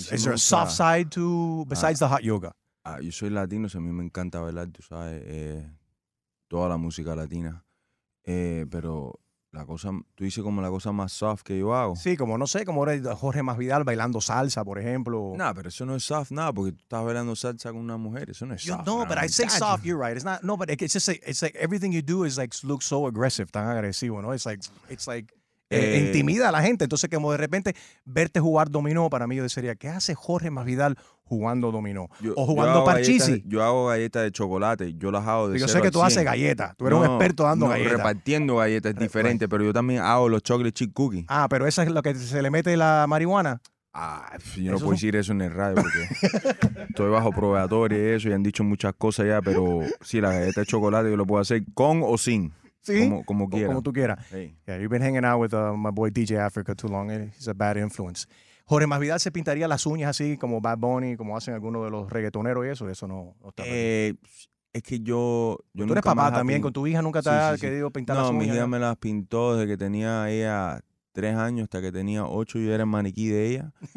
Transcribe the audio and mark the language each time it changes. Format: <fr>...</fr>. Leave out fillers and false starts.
<en>is there a soft side to besides the hot yoga?</en> <es>Yo soy latino, so a mí me encanta bailar, tú sabes, toda la música latina. Pero la cosa, tú dices como la cosa más soft que yo hago. Sí, como no sé, como Jorge Masvidal bailando salsa, por ejemplo. Nah, pero eso no es soft, nada, porque tú estás bailando salsa con una mujer, eso no es soft.</es> <en>No, but I say soft, you're right. It's not. No, but it's just like, it's like everything you do is like looks so aggressive,</en> <es>tan agresivo, ¿no?</es> <en>It's like.</en> <es>Intimida a la gente. Entonces, como de repente verte jugar dominó, para mí yo sería, ¿qué hace Jorge Masvidal jugando dominó? O jugando parchisi. Yo hago galletas de chocolate. Yo las hago de yo sé que tú 100. Haces galletas. Tú eres un experto dando galletas. Repartiendo galletas es diferente, pero yo también hago los</es> <en>chocolate chip cookies.</en> <es>Ah, pero esa es lo que se le mete la marihuana. Yo no puedo decir eso en el radio porque estoy bajo probadores y eso y han dicho muchas cosas ya, pero sí, las galletas de chocolate yo lo puedo hacer con o sin. Sí. Como quiera. Como tú quieras. Hey.</es> <en>Yeah, you've been hanging out with my boy DJ Africa too long. He's a bad influence.</en> <es>Jorge Masvidal se pintaría las uñas así como Bad Bunny, como hacen algunos de los reggaetoneros y eso. Eso no está. Es que yo. Yo tú nunca eres papá también, con tu hija nunca te ha querido pintar las uñas. No, mi hija me las pintó desde que tenía ella 3 años hasta que tenía 8. Yo era el maniquí de ella.</es>